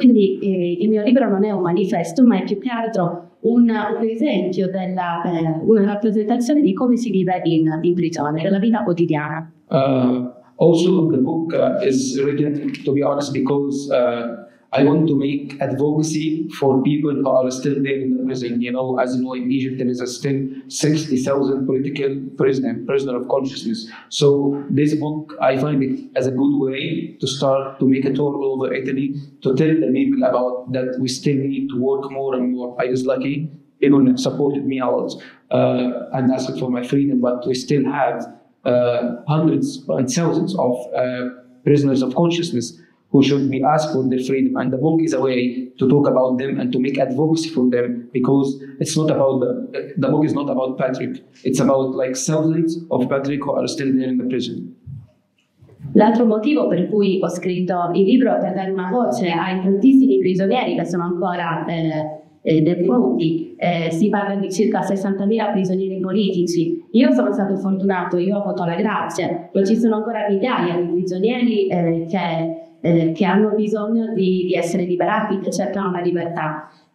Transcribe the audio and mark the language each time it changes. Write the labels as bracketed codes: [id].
[it] Quindi il mio libro non è un manifesto, ma è più che altro un esempio della una rappresentazione di come si vive in prigione, della vita quotidiana. [en] Also the book is written, to be honest, because I want to make advocacy for people who are still there in the prison. You know, as you know, in Egypt there is still 60,000 political prisoners, prisoner of consciousness. So this book, I find it as a good way to start to make a tour all over Italy to tell the people about that we still need to work more and more. I was lucky, everyone supported me a lot and asked for my freedom, but we still have hundreds and thousands of prisoners of consciousness who should be asked for their freedom, and the book is a way to talk about them and to make advocacy for them, because it's not about the book is not about Patrick, it's about like thousands of Patrick who are still there in the prison. [it] L'altro motivo per cui ho scritto il libro è per dare una voce ai tantissimi prigionieri che sono ancora defunti. Si parla di circa 60.000 prigionieri politici. Io sono stato fortunato, io ho avuto la grazia, ma ci sono ancora migliaia di prigionieri che hanno bisogno di essere liberati, che cercano la libertà.